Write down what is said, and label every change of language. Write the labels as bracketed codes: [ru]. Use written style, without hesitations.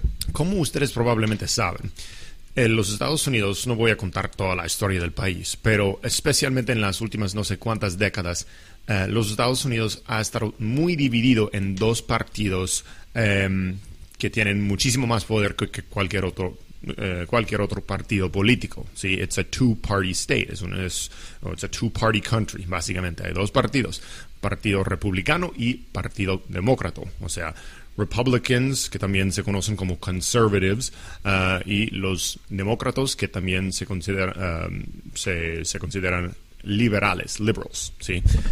[es] Como ustedes probablemente saben, en los Estados Unidos, no voy a contar toda la historia del país, pero especialmente en las últimas no sé cuántas décadas, los Estados Unidos ha estado muy dividido en dos partidos que tienen muchísimo más poder que cualquier otro partido político, ¿sí? [en] It's a two-party state, it's a two-party country, [es] básicamente. Hay dos partidos, partido republicano y partido demócrata, o sea... Republicans, que también se conocen como conservatives, y los demócratas, que también se consideran liberales, liberals, ¿sí?